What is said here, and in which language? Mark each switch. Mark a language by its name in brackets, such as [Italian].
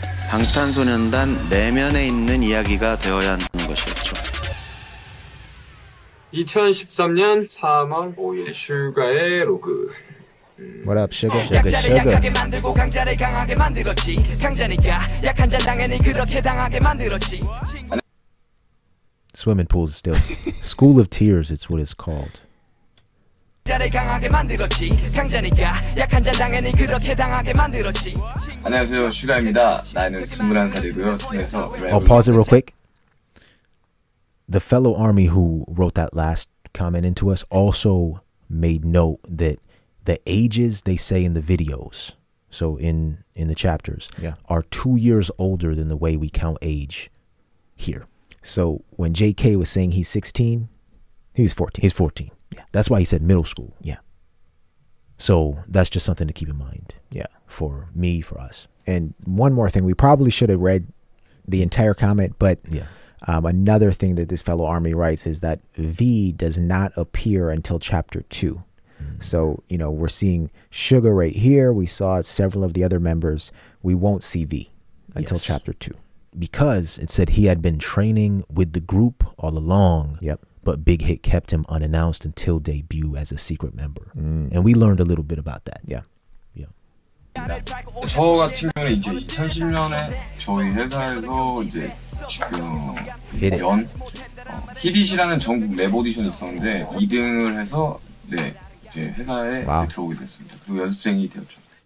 [Korean] 방탄소년단 내면에 있는 이야기가 되어야 하는 것이었죠. 2013년 3월 5일 슈가의 로그. [English] What up, sugar? Sugar, sugar. [Korean] 약자를 약하게 만들고 강자를 강하게 만들었지. 강자니까 약한 자 당연히 그렇게 당하게 만들었지. [English] Swimming pool is still School of Tears, it's what it's called. [Korean] 강자를 강하게 만들었지. 강자니까 약한 자 당연히 그렇게 당하게 만들었지. 안녕하세요, 슈가입니다. 나이는 21살이고요. 팀에서 [English] I'll pause it real quick. The fellow Army who wrote that last comment into us also made note that the ages they say in the videos, so in the chapters, yeah, are 2 years older than the way we count age here. So when JK was saying he's 16, he was 14. He's 14. Yeah. That's why he said middle school. Yeah. So that's just something to keep in mind. Yeah. For me, for us. And one more thing, we probably should have read the entire comment, but yeah. Another thing that this fellow Army writes is that V does not appear until chapter 2. Mm. So, you know, we're seeing Sugar right here. We saw several of the other members. We won't see V until, yes, chapter 2. Because it said he had been training with the group all along. Yep. But Big Hit kept him unannounced until debut as a secret member. Mm. And we learned a little bit about that. Yeah. Yeah. [Korean] 저 같은 경우는 이제 2010년에 저희 회사에서 이제 지금 연 히딧이라는 전국 랩 오디션이 있었는데 2등을 해서 네 이제 회사에, wow, 이제 들어오게 됐습니다. 그리고 연습생이 되었죠.